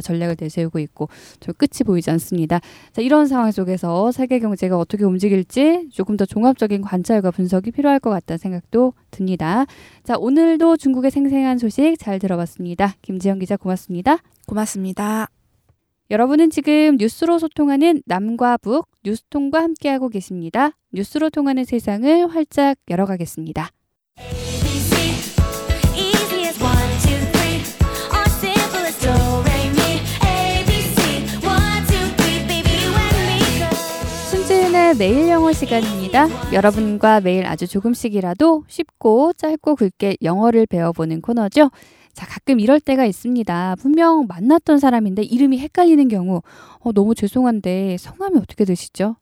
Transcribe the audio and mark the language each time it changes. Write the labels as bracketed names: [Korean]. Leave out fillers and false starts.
[Korean] 전략을 내세우고 있고 좀 끝이 보이지 않습니다. 자, 이런 상황 속에서 세계 경제가 어떻게 움직일지 조금 더 종합적인 관찰과 분석이 필요할 것 같다는 생각도 듭니다. 자, 오늘도 중국의 생생한 소식 잘 들어봤습니다. 김지영 기자 고맙습니다. 고맙습니다. 여러분은 지금 뉴스로 소통하는 남과 북, 뉴스통과 함께하고 계십니다. 뉴스로 통하는 세상을 활짝 열어가겠습니다. [English] ABC, easy as one, two, three, ABC, one, two, three, baby, when we go. [Korean] 순지은의 매일 영어 시간입니다. 여러분과 매일 아주 조금씩이라도 쉽고 짧고 굵게 영어를 배워보는 코너죠. 자, 가끔 이럴 때가 있습니다. 분명 만났던 사람인데 이름이 헷갈리는 경우 너무 죄송한데 성함이 어떻게 되시죠?